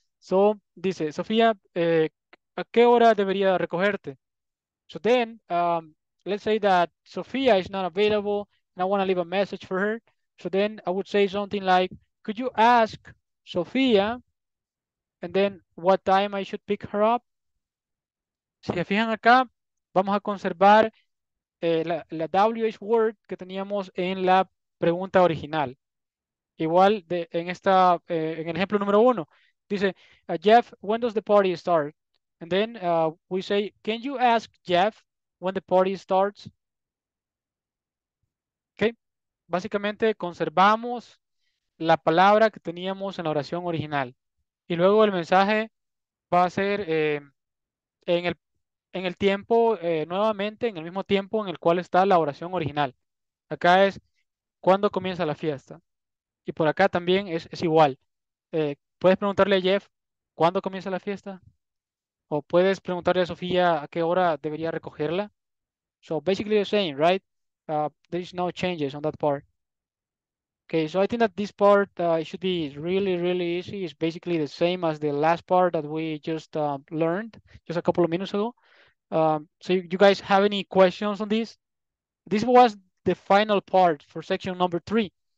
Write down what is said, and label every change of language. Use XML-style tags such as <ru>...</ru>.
<es>So dice, Sofía, ¿a qué hora debería recogerte?</es> <en>So then, let's say that Sofía is not available and I want to leave a message for her. So then I would say something like, could you ask Sofía and then what time I should pick her up?</en> <es>Si se fijan acá, vamos a conservar la WH word que teníamos en la pregunta original. Igual de, en esta en el ejemplo número uno.</es> <en>Dice, Jeff, when does the party start? And then we say, can you ask Jeff when the party starts? Okay.</en> <es>Básicamente conservamos la palabra que teníamos en la oración original. Y luego el mensaje va a ser en el tiempo, nuevamente, en el mismo tiempo en el cual está la oración original. Acá es, ¿cuándo comienza la fiesta? Y por acá también es igual. ¿Puedes preguntarle a Jeff cuándo comienza la fiesta? ¿O puedes preguntarle a Sofía a qué hora debería recogerla?</es> <en>So basically the same, right? There is no changes on that part. Okay, so I think that this part should be really, really easy. It's basically the same as the last part that we just learned just a couple of minutes ago. So you guys have any questions on this? This was the final part for section number three.</en>